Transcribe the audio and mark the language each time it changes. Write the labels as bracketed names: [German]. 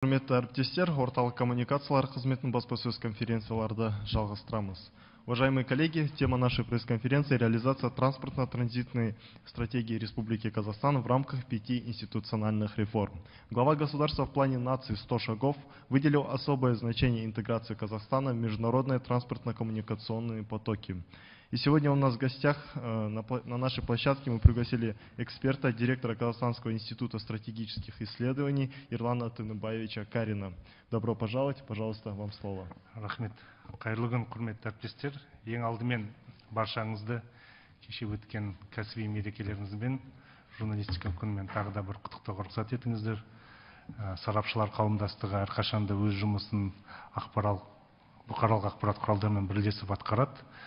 [Kazakh] Құрметті әріптестер, орталық коммуникациялар қызметінің баспасөз конференцияларды жалғастырамыз. [Russian] Уважаемые коллеги, тема нашей пресс-конференции – реализация транспортно-транзитной стратегии Республики Казахстан в рамках 5 институциональных реформ. Глава государства в плане нации 100 шагов выделил особое значение интеграции Казахстана в международные транспортно-коммуникационные потоки. И сегодня у нас в гостях на нашей площадке мы пригласили эксперта, директора Казахстанского института стратегических исследований Ирлана Тыныбаевича Карина. Добро пожаловать, пожалуйста, вам слово. [Kazakh] Рахмет. Қайырлы күн, құрметті әріптестер. Ең алдымен баршаңызды кеше өткен кәсіби мерекелеріңізбен, журналистика күнімен тағы да бір құттықтауға рұқсат етіңіздер. Сарапшылар қауымдастығы әрқашанда өз жұмысын бұқаралық ақпарат құралдарымен бірлесіп атқарады.